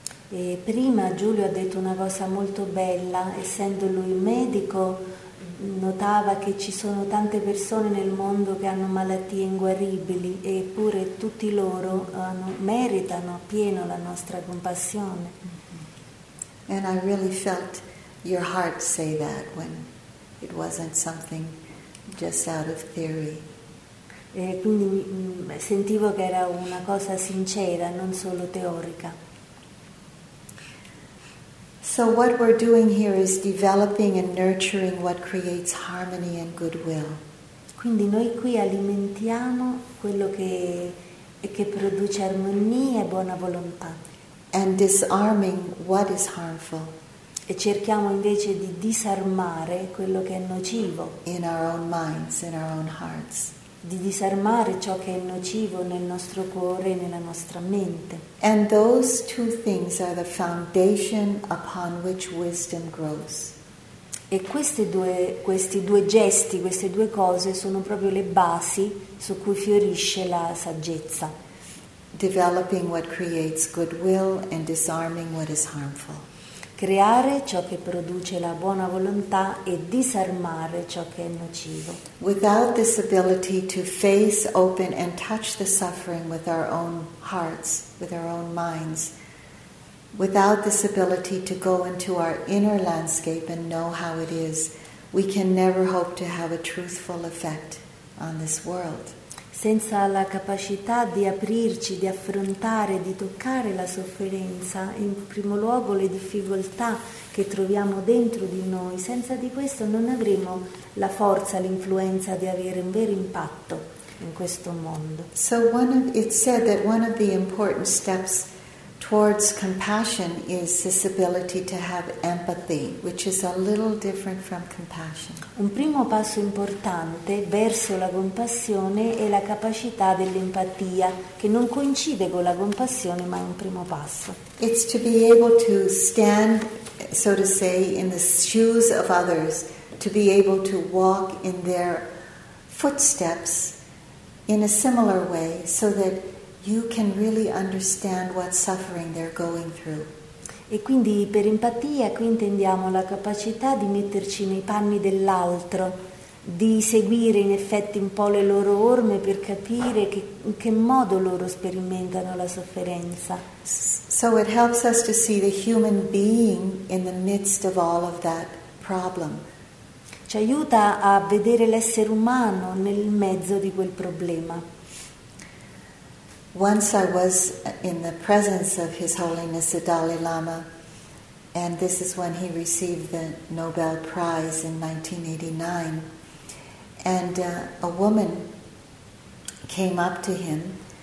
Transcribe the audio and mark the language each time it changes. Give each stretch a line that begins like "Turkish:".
Italian: E prima Giulio ha detto una cosa molto bella, essendo lui medico, notava che ci sono tante persone nel mondo che hanno malattie inguaribili, eppure tutti loro meritano appieno la nostra compassione. Mm-hmm.
English: And I really felt your heart say that when it wasn't something just out of theory.
Italian: E quindi sentivo che era una cosa sincera, non solo teorica.
English: So what we're doing here is developing and nurturing what creates harmony and goodwill.
Italian: Quindi noi qui alimentiamo quello che produce armonia e buona volontà.
English: And disarming what is harmful.
Italian: E cerchiamo invece di disarmare quello che è nocivo.
English: In our own minds, in our own hearts.
Italian: Di disarmare ciò che è nocivo nel nostro cuore e nella nostra mente.
English: And those two things are the foundation upon which wisdom grows.
Italian: E questi due gesti, queste due cose sono proprio le basi su cui fiorisce la saggezza.
English: Developing what creates goodwill and disarming what is harmful.
Italian: Creare ciò che produce la buona volontà e disarmare ciò che è nocivo.
English: Without this ability to face, open and touch the suffering with our own hearts, with our own minds, without this ability to go into our inner landscape and know how it is, we can never hope to have a truthful effect on this world.
Italian: Senza la capacità di aprirci, di affrontare, di toccare la sofferenza, in primo luogo le difficoltà che troviamo dentro di noi, senza di questo non avremo la forza, l'influenza di avere un vero impatto in questo mondo.
English: So it's said that one of the important steps towards compassion is this ability to have empathy, which is a little different from compassion.
Italian: Un primo passo importante verso la compassione è la capacità dell'empatia, che non coincide con la compassione, ma è un primo passo.
English: It's to be able to stand, so to say, in the shoes of others, to be able to walk in their footsteps in a similar way, so that you can really understand what suffering they're going through.
Italian: E quindi per empatia qui intendiamo la capacità di metterci nei panni dell'altro, di seguire in effetti un po' le loro orme per capire in che modo loro sperimentano la sofferenza.
English: So it helps us to see the human being in the midst of all of that problem.
Italian: Ci aiuta a vedere l'essere umano nel mezzo di quel problema.
English: Once I was in the presence of His Holiness the Dalai Lama, and this is when he received the Nobel Prize in 1989, and a woman came up to him.